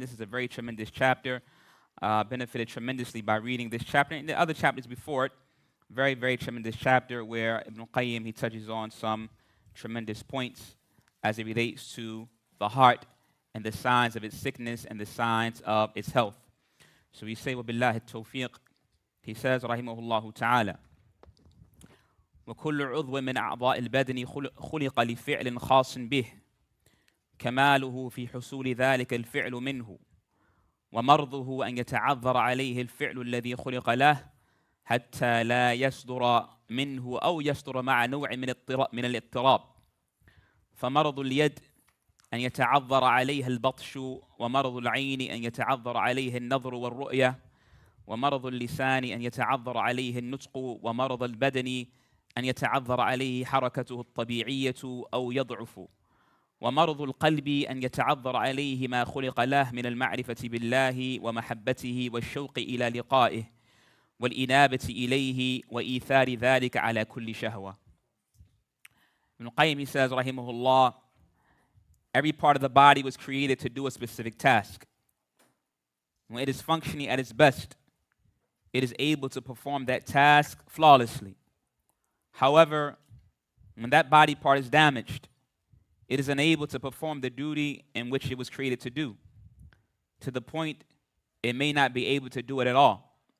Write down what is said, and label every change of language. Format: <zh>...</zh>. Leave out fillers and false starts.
<en>And this is a very tremendous chapter. Benefited tremendously by reading this chapter and the other chapters before it. Very, very tremendous chapter where Ibn Qayyim, he touches on some tremendous points as it relates to the heart and the signs of its sickness and the signs of its health. So we say,</en> <ar>وَبِاللَّهِ التَّوْفِيقِ.</ar> <en>He says,</en> <ar>رَحِمَهُ اللَّهُ تَعَالَى وكل عضو من أعضاء البدن خلق لفعل خاص به كماله في حصول ذلك الفعل منه ومرضه أن يتعذر عليه الفعل الذي خلق له حتى لا يصدر منه أو يصدر مع نوع من الاضطراب فمرض اليد أن يتعذر عليها البطش ومرض العين أن يتعذر عليه النظر والرؤية ومرض اللسان أن يتعذر عليه النطق ومرض البدن أن يتعذر عليه حركته الطبيعية أو يضعف ومرض القلب أن يتعذر عليه ما خلق له من المعرفة بالله ومحبته والشوق إلى لقائه والإنابة إليه وإيثار ذلك على كل شهوة.</ar> <en>Ibn Qayyim says, رحمه الله, every part of the body was created to do a specific task. When it is functioning at its best, it is able to perform that task flawlessly. However, when that body part is damaged, it is unable to perform the duty in which it was created to do, to the point it may not be able to do it at all.</en>